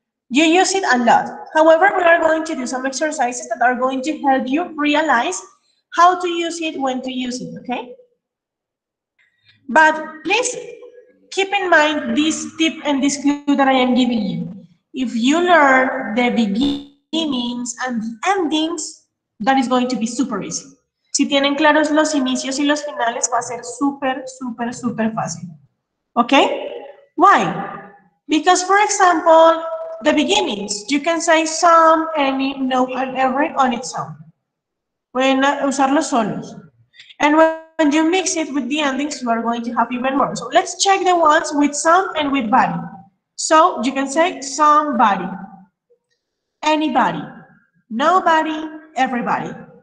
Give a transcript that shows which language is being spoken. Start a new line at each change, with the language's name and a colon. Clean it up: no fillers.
English: You use it a lot. However, we are going to do some exercises that are going to help you realize how to use it, when to use it, okay? But please keep in mind this tip and this clue that I am giving you. If you learn the beginnings and the endings, that is going to be super easy.
Spanish: Si tienen claros los inicios y los finales, va a ser súper, súper, súper fácil.
English: Okay? Why? Because, for example, the beginnings, you can say some, any, no, and every on its own.
Spanish: Pueden usarlos solos.
English: And when you mix it with the endings, you are going to have even more. So let's check the ones with some and with body. So you can say somebody, anybody, nobody, everybody.